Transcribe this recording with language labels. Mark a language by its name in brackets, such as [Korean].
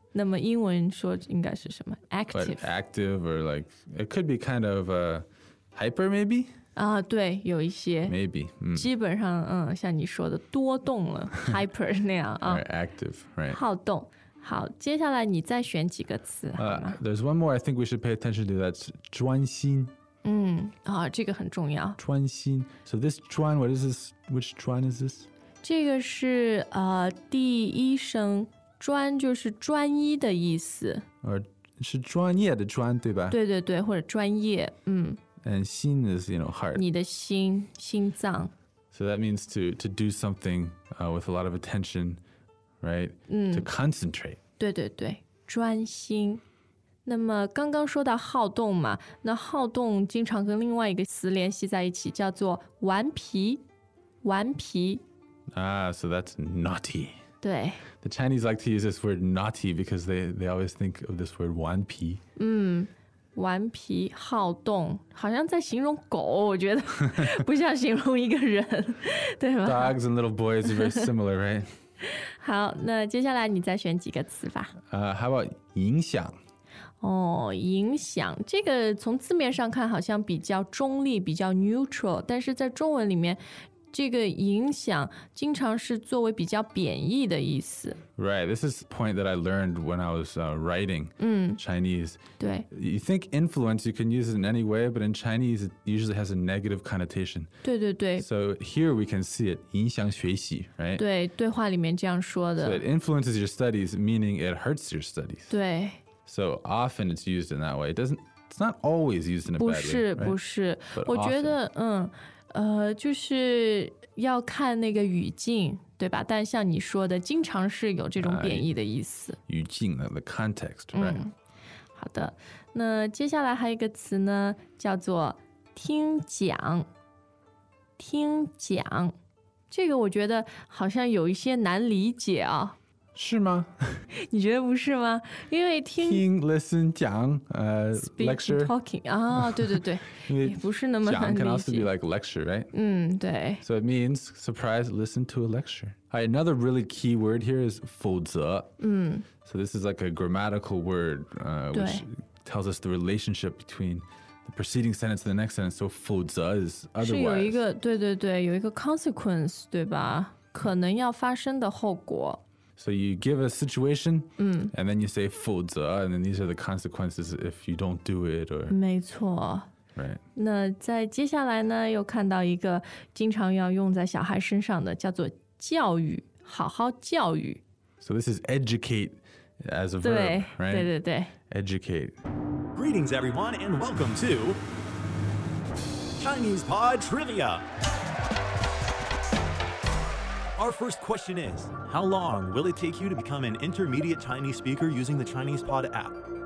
[Chinese] 那么英文说应该是什么 ？Active。 [English] Active or like it could be kind of a hyper maybe。 [Chinese] 啊，对，有一些 [English] maybe， [Chinese] 基本上，像你说的多动了hyper 那样啊 [English] active right [Chinese] 好动。好，接下来你再选几个词。 [English] There's one more I think we should pay attention to. That's 专心。 [Chinese] 嗯，啊，这个很重要。 [English] 专心。So this 专 what is this? Which 专 is this? [Chinese] 这个是第一声，专就是专一的意思。是专业的专，对吧？对对对，或者专业， [English] And 心 is, you know, heart. [Chinese] 你的心，心脏。 [English] So that means to do something, with a lot of attention, right? To concentrate. [Chinese] 对对对，专心。那么刚刚说到好动嘛，那好动经常跟另外一个词联系在一起，叫做顽皮，顽皮。 [English] So that's naughty. [Chinese] 对。 [English] The Chinese like to use this word naughty because they always think of this word 顽皮。 [Chinese] 顽皮好动，好像在形容狗，我觉得不像形容一个人，对吗 [English] ？Dogs and little boys are very similar, right? [Chinese] 好，那接下来你再选几个词吧。 [English] How about 影响？ [Chinese] 哦，影响这个从字面上看好像比较中立，比较 neutral， 但是在中文里面，这个影响经常是作为比较贬义的意思。 [English] Right, this is the point that I learned when I was writing Chinese. [Chinese] 对。 [English] You think influence, you can use it in any way, but in Chinese, it usually has a negative connotation. [Chinese] 对对对。 [English] So here we can see it, 影响学习 right? [Chinese] 对，对话里面这样说的。 [English] So it influences your studies, meaning it hurts your studies. 对。 So often it's used in that way. It's not always used in a bad way. [Chinese] 不是，不是。 [English] Right? [Chinese] 我觉得，就是要看那个语境。对吧？但像你说的，经常是有这种贬义的意思。 [English] 语境的 the context, right? [Chinese] 好的，那接下来还有一个词呢，叫做听讲。听讲，这个我觉得好像有一些难理解啊。是吗？你觉得不是吗？因为听 listen 讲 [English] speak, lecture [Chinese] talking 啊，对对对，因为不是那么难理解。 [English] 讲 can also be like lecture, right? [Chinese] 对。 [English] So it means surprise, listen to a lecture. All right, another really key word here is 否则。 So this is like a grammatical word, which tells us the relationship between the preceding sentence and the next sentence. So 否则 is otherwise. [Chinese] 是有一个对对对，有一个 consequence, 对吧？可能要发生的后果。 [English] So you give a situation, and then you say 否则, and then these are the consequences if you don't do it. Or [Chinese] 没错。 [English] Right. [Chinese] 那在接下来呢，又看到一个经常要用在小孩身上的，叫做教育，好好教育。 [English] So this is educate as a verb, right? [Chinese] 对对对。 [English] Educate. Greetings, everyone, and welcome to Chinese Pod Trivia. Our first question is,How long will it take you to become an intermediate Chinese speaker using the Chinese Pod app?